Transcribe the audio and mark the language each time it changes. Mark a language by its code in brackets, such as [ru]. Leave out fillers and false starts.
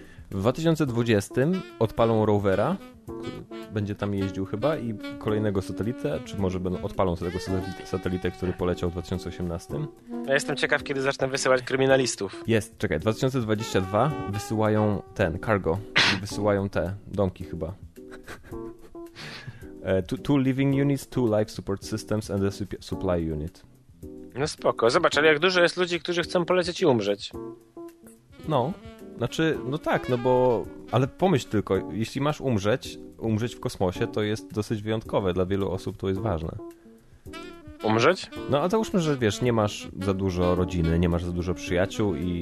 [pl] W 2020 odpalą rowera, który będzie tam jeździł chyba, i kolejnego satelitę, czy może odpalą tego satelitę, który poleciał w 2018. Ja jestem ciekaw, kiedy zacznę wysyłać kryminalistów. Jest, czekaj, 2022 wysyłają ten, cargo, wysyłają te domki chyba. [en] Two living units, two life support systems and a supply unit. [pl] No spoko, zobacz, ale jak dużo jest ludzi, którzy chcą polecieć i umrzeć. No, Znaczy, no tak, no bo... Ale pomyśl tylko, jeśli masz umrzeć w kosmosie, to jest dosyć wyjątkowe. Dla wielu osób to jest ważne. Umrzeć? No, a załóżmy, że wiesz, nie masz za dużo rodziny, nie masz za dużo przyjaciół i...